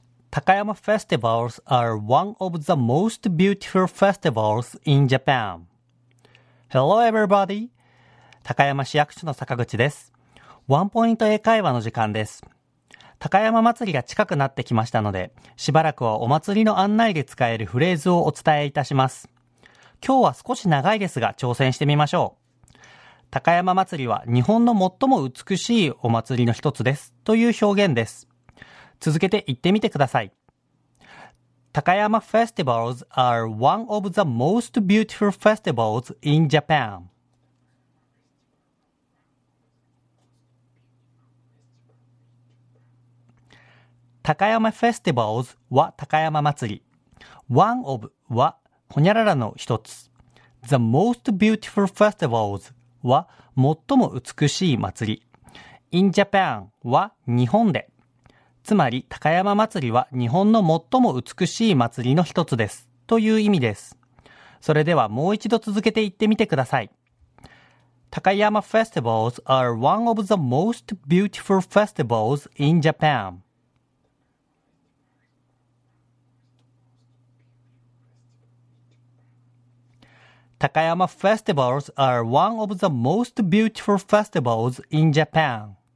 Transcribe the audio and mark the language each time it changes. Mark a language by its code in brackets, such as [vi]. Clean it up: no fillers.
[en] Takayama festivals are one of the most beautiful festivals in Japan. Hello everybody! [ja] 高山市役所の坂口です。ワンポイント英会話の時間です。高山祭りが近くなってきましたので、しばらくはお祭りの案内で使えるフレーズをお伝えいたします。今日は少し長いですが挑戦してみましょう。高山祭りは日本の最も美しいお祭りの一つですという表現です。続けて言ってみてください。 [en] Takayama festivals are one of the most beautiful festivals in Japan. [ja] Takayama festivals は Takayama 祭り。 One of はほにゃららの一つ。 [en] The most beautiful festivals [ja] は最も美しい祭り。 [en] In Japan [ja] は日本で。つまり高山祭りは日本の最も美しい祭りの一つですという意味です。それではもう一度続けて言ってみてください。 [en] 高山 festivals are one of the most beautiful festivals in Japan. 高山 festivals are one of the most beautiful festivals in Japan.